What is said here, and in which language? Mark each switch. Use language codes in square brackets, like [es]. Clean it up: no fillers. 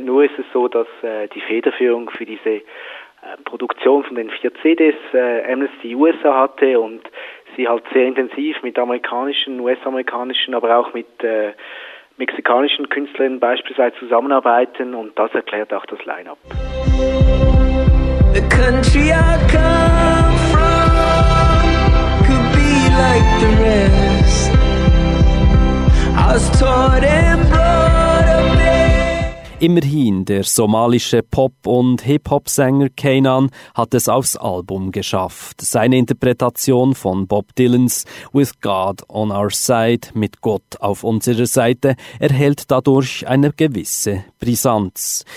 [de] Nur ist es so, dass die Federführung für diese Produktion von den 4 CDs Amnesty USA hatte und sie halt sehr intensiv mit amerikanischen, US-amerikanischen, aber auch mit mexikanischen Künstlern beispielsweise zusammenarbeiten, und das erklärt auch das Line-Up. [en] The country I come from could be like the rest. I was taught and brought up. [de] Immerhin, der somalische Pop- und Hip-Hop-Sänger Kanan hat es aufs Album geschafft. Seine Interpretation von Bob Dylans «With God on our side», «Mit Gott auf unserer Seite», erhält dadurch eine gewisse Brisanz.